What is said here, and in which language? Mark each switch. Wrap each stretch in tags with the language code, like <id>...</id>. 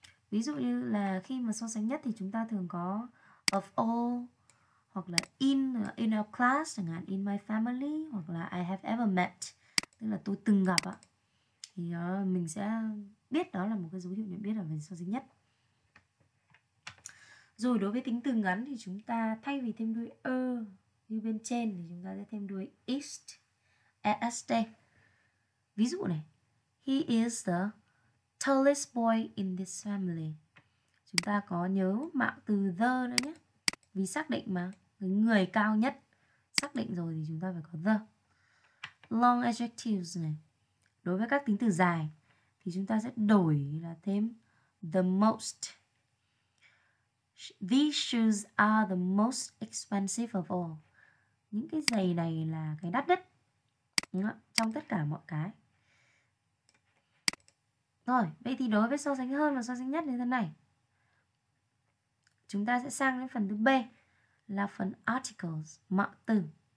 <vi>Ví dụ như là khi mà so sánh nhất thì chúng ta thường có of all, hoặc là in our class, chẳng hạn in my family, hoặc là</vi> <en>I have ever met,</en> <vi>tức là tôi từng gặp ạ. Thì mình sẽ biết đó là một cái dấu hiệu nhận biết ở bên so sánh nhất. Rồi đối với tính từ ngắn thì chúng ta thay vì thêm đuôi a như bên trên thì chúng ta sẽ thêm đuôi ist, est. Ví dụ này,</vi> <en>he is the tallest boy in this family.</en> <vi>Chúng ta có nhớ mạo từ the nữa nhé. Vì xác định mà, người cao nhất. Xác định rồi thì chúng ta phải có the. Long adjectives này. Đối với các tính từ dài thì chúng ta sẽ đổi là thêm the most.</vi> <en>These shoes are the most expensive of all.</en> <vi>Những cái giày này là cái đắt nhất trong tất cả mọi cái. Rồi, vậy thì đối với so sánh hơn và so sánh nhất như thế này, chúng ta sẽ sang đến phần thứ B, là phần articles, mạo từ.</vi>